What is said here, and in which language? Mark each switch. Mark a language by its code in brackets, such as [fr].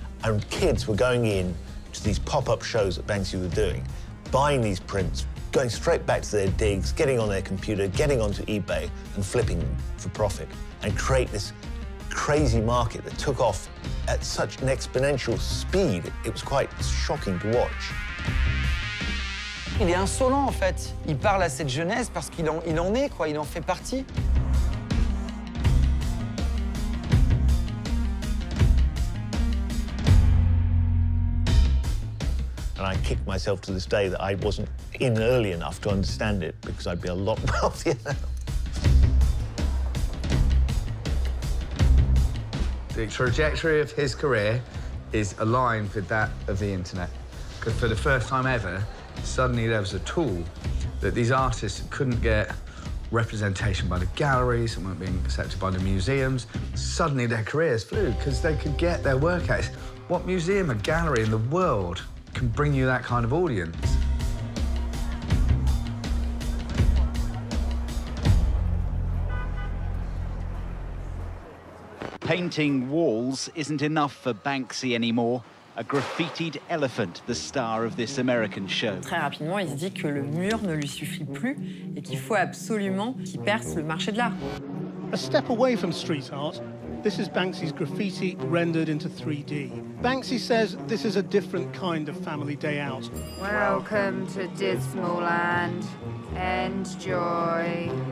[en] And kids were going in to these pop-up shows that Banksy were doing, buying these prints, going straight back to their digs, getting on their computer, getting onto eBay, and flipping them for profit, and create this crazy market that took off at such an exponential speed, it was quite shocking to watch. [fr] Il est insolent, en fait. Il parle à cette jeunesse parce qu'il en est, quoi. Il en fait partie. [en] And I kicked myself to this day that I wasn't in early enough to understand it because I'd be a lot wealthier now. The trajectory of his career is aligned with that of the internet. Because for the first time ever, suddenly there was a tool that these artists couldn't get representation by the galleries, some weren't being accepted by the museums. Suddenly their careers flew because they could get their work out. What museum or gallery in the world can bring you that kind of audience? Painting walls isn't enough for Banksy anymore. A graffitied elephant, the star of this American show. [fr] Très rapidement, il se dit que le mur ne lui suffit plus et qu'il faut absolument qu'il perce le marché de l'art. [en] A step away from street art, this is Banksy's graffiti rendered into 3D. Banksy says this is a different kind of family day out. Welcome to Dismal Land. Enjoy.